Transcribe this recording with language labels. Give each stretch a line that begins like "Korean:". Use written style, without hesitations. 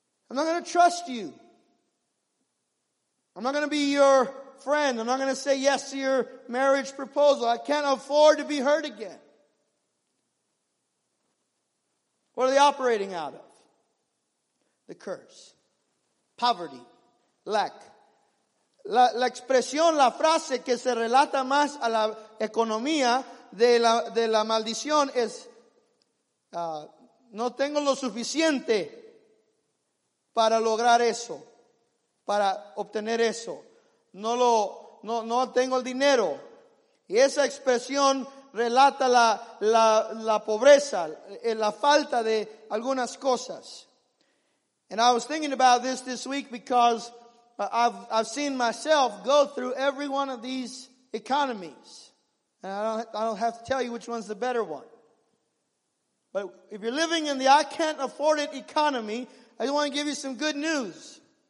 English: I'm not going to trust you. I'm not going to be your friend. I'm not going to say yes to your marriage proposal. I can't afford to be hurt again. What are they operating out of? the curse. Poverty, lack.
Spanish: La expresión, la frase que se relata más a la economía de la maldición es no tengo lo suficiente para lograr eso, para obtener eso. No tengo el dinero. Y esa expresión relata la pobreza, la falta de algunas cosas.
English: And I was thinking about this week because I've seen myself go through every one of these economies. And I don't have to tell you which one's the better one. But if you're living in the I can't afford it economy, I just want to give you some good news.